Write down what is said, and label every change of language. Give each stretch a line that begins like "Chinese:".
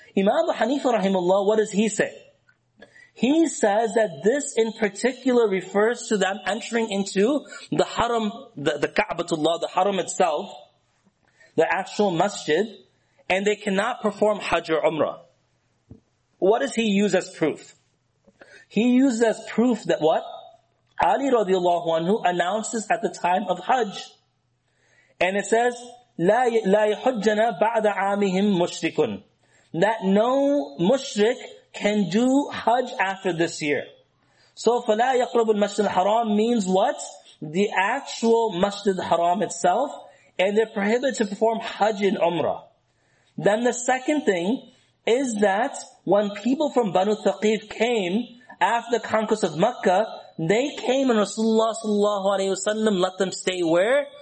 English: Imam Abu Hanifa rahimahullah, what does he say? He says that this in particular refers to them entering into the haram, the Ka'batullah, the haram itself, the actual masjid, and they cannot perform Hajj or Umrah. What does he use as proof? He uses as proof that what? Ali radiallahu anhu announces at the time of Hajj. And it says,
Arabic: لَا يَحُجَّنَا بَعْدَ عَامِهِمْ مُشْرِكٌ.
English: That no mushrik can do Hajj after this year. So,
Arabic: فَلَا يَقْرَبُ الْمَسْجِدِ الْحَرَامِ
English: means what? The actual Masjid Haram itself. And they're prohibited to perform Hajj and Umrah. Then the second thing is that when people from Banu Thaqif came after the conquest of Mecca, they came and Rasulullah sallallahu alayhi wa sallam let them stay where?